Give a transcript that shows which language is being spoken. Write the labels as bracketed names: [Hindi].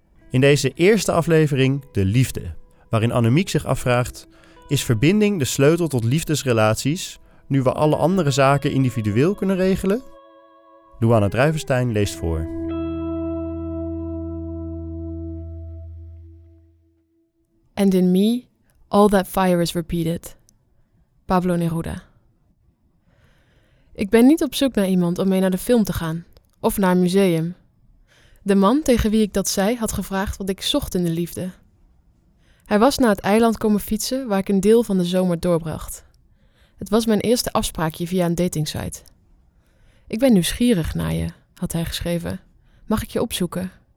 [Dutch] In deze eerste aflevering De Liefde, waarin Annemiek zich afvraagt: is verbinding de sleutel tot liefdesrelaties, nu we alle andere zaken individueel kunnen regelen? Douana Druivenstein leest voor. [English] And in me, all that fire is repeated. [Dutch] Pablo Neruda. Ik ben niet op zoek naar iemand om mee naar de film te gaan, of naar een museum. De man tegen wie ik dat zei had gevraagd wat ik zocht in de liefde. Hij was naar het eiland komen fietsen waar ik een deel van de zomer doorbracht. Het was mijn eerste afspraakje via een datingsite. Ik ben nieuwsgierig naar je, had hij geschreven. Mag ik je opzoeken?